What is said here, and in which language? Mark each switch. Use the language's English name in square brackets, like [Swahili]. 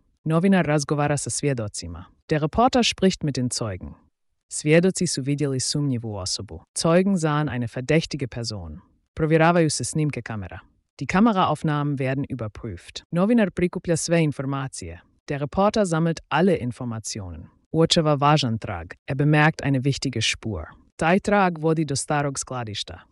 [Croatian] Novinar razgovara sa svjedocima. [German] Der Reporter spricht mit den Zeugen. [Croatian] Svjedoci su vidjeli sumnjivu osobu. [German] Zeugen sahen eine verdächtige Person. [Croatian] Provjeravaju se snimke kamera. [German] Die Kameraaufnahmen werden überprüft. [Croatian] Novinar prikuplja sve informacije. [German] Der Reporter sammelt alle Informationen. [Croatian] Uočeva važan trag. [German] Er bemerkt eine wichtige Spur. [Croatian] Taj trag vodi do starog skladišta.